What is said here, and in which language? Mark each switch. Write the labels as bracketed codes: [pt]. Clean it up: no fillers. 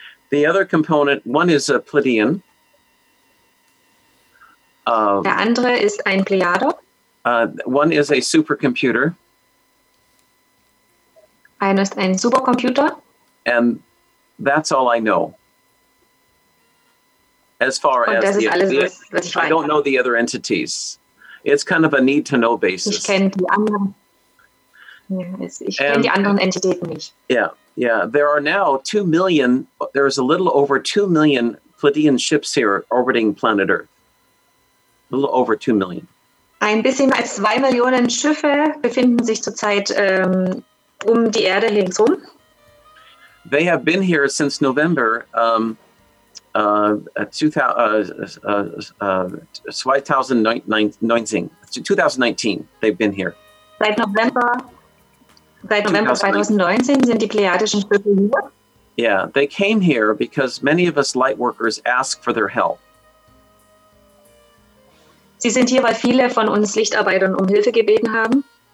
[en] The other component, one is a Pleiadian. [de] Der andere ist ein Pleiado. [en] One is a supercomputer. [de] Einer ist ein Supercomputer. [en] And that's all I know. As far [de] Und [en] as [de] das ist alles, was ich weiß. [en] I don't know the other entities. It's kind of a need to know basis. [de] Ich kenne die anderen. Ich kenne die anderen Entitäten nicht. [en] Yeah. There are now 2 million, there is a little over 2 million Pleiadian ships here orbiting planet Earth. A little over 2 million. [de] Ein bisschen mehr als 2 Millionen Schiffe befinden sich zurzeit um die Erde herum. [en] They have been here since November 2019. They've been here. [de] Seit November 2019 sind die Pleiadischen Schiffe hier. [en] Yeah, they came here because many of us lightworkers ask for their help. [de] Sie sind hier, weil viele von uns Lichtarbeitern um Hilfe gebeten haben.